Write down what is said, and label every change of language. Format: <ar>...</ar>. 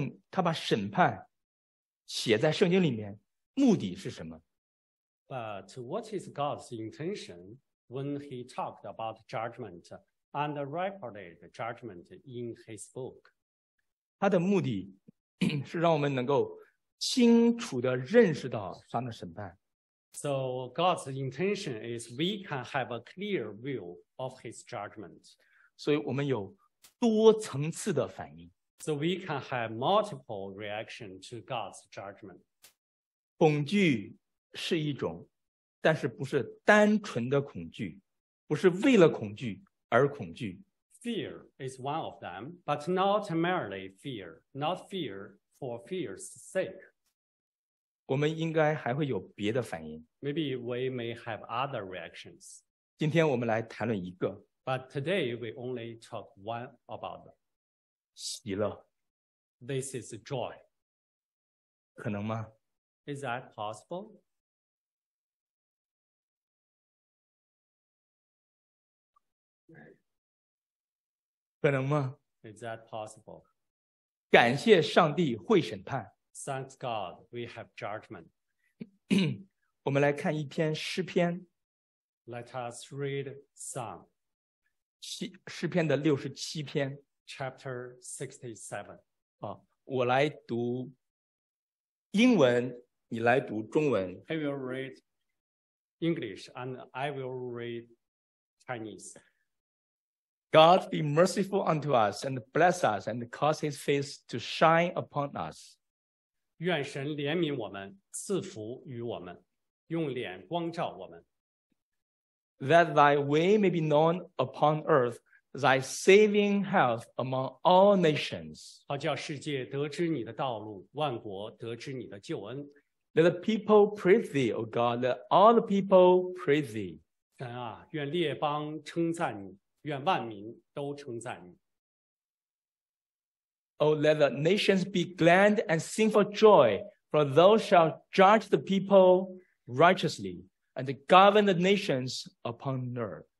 <zh>他把审判写在圣经里面，目的是什么？</zh> <en>But what is God's intention when he talked about judgment and recorded judgment in his book?</en> <zh>他的目的是让我们能够清楚地认识到上帝的审判。</zh> <en>So God's intention is we can have a clear view of his judgment.</en> <zh>所以我们有多层次的反应。</zh> <en>So we can have multiple reactions to God's judgment.</en> <zh>恐惧是一种，但是不是单纯的恐惧，不是为了恐惧而恐惧。</zh> <en>Fear is one of them, but not merely fear, not fear for fear's sake.</en> <zh>我们应该还会有别的反应。</zh> <en>Maybe we may have other reactions.</en> <zh>今天我们来谈论一个。</zh> <en>But today we only talk one about them.</en> <zh>喜乐。</zh> <en>This is joy.</en> <zh>可能吗？</zh> <en>Is that possible?</en> <zh>可能吗？</zh> <en>Is that possible?</en> <zh>感谢上帝会审判。</zh> <en>Thanks God, we have judgment.</en> <zh>我们来看一篇诗篇。</zh> <en>Let us read Psalm.</en> <zh>诗篇的67篇。</zh> <en>Chapter 67.</en> <zh>我来读英文，你来读中文。</zh> <en>I will read English and I will read Chinese. God be merciful unto us and bless us and cause his face to shine upon us.</en> <zh>愿神怜悯我们，赐福于我们，用脸光照我们。</zh> <en>That thy way may be known upon earth, thy saving health among all nations.</en> <zh>好叫世界得知你的道路，万国得知你的救恩。</zh> <en>Let the people praise thee, O God, let all the people praise thee.</en> <zh>神啊，愿列邦称赞你。愿万民都称赞你。</zh> <en>Oh, let the nations be glad and sing for joy, for thou shalt judge the people righteously and govern the nations upon earth.</en>